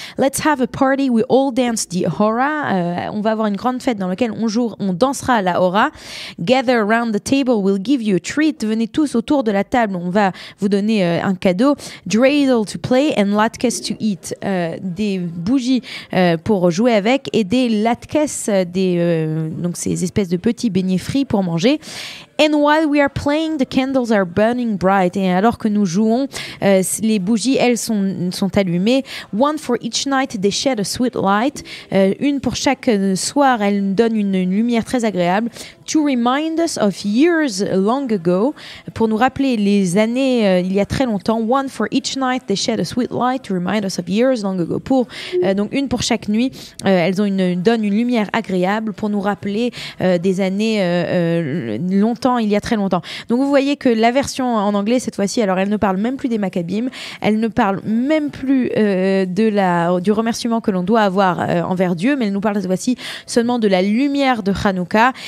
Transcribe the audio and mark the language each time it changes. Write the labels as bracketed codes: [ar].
[en] Let's have a party, we all dance the hora. [fr] On va avoir une grande fête dans laquelle on dansera la hora. [en] Gather around the table, we'll give you a treat. [fr] Venez tous autour de la table, on va vous donner un cadeau. [en] Dreidel to play and latkes to eat. [fr] Des bougies pour jouer avec et des latkes, donc ces espèces de petits beignets frits pour manger. [en] And while we are playing, the candles are burning bright. [fr] Et alors que nous jouons, les bougies, elles, sont allumées. [en] One for each night, they shed a sweet light. [fr] Une pour chaque soir, elles donnent une lumière très agréable. [en] To remind us of years long ago, [fr] pour nous rappeler les années il y a très longtemps. [en] One for each night, they shed a sweet light to remind us of years long ago. [fr] Donc une pour chaque nuit, elles donnent une lumière agréable pour nous rappeler des années longtemps, il y a très longtemps. Donc vous voyez que la version en anglais cette fois-ci, alors elle ne parle même plus des Maccabim, elle ne parle même plus du remerciement que l'on doit avoir envers Dieu, mais elle nous parle cette fois-ci seulement de la lumière de Hanouka.